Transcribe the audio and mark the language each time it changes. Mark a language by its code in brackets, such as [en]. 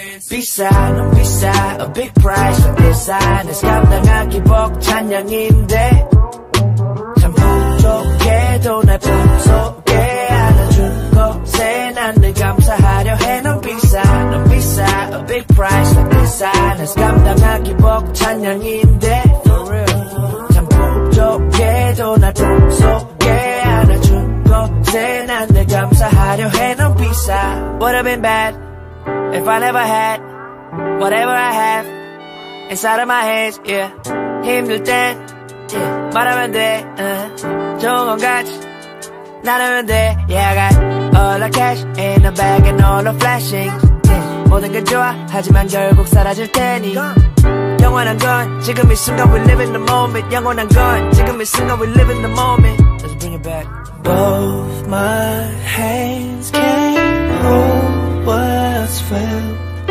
[en] Bisa, a big price for designers. [ko] 감당하기 벅찬 양인데 참 부족해도 날 부족해 안아준 것에 난 늘 감사하려 해. 넌 비싸, [en] a big price for designers. [ko] 감당하기 벅찬 양인데 참 부족해도 날 부족해 안아준 것에 난 늘 감사하려 해. 넌 비싸. [en] Would have been bad if I never had whatever I have inside of my head, yeah. [ko] 힘들 땐 yeah. 말하면 돼, 좋은 건 같이 나누면 돼, [en] yeah. I got all the cash in a bag and all the flashing. Yeah. [ko] 모든 게 좋아, 하지만 결국 사라질 테니. 영원한 건 지금 이 순간 [en] we live in the moment. [ko] 영원한 건 지금 이 순간 [en] we live in the moment. Let's bring it back. Both my hands can't hold what's felt.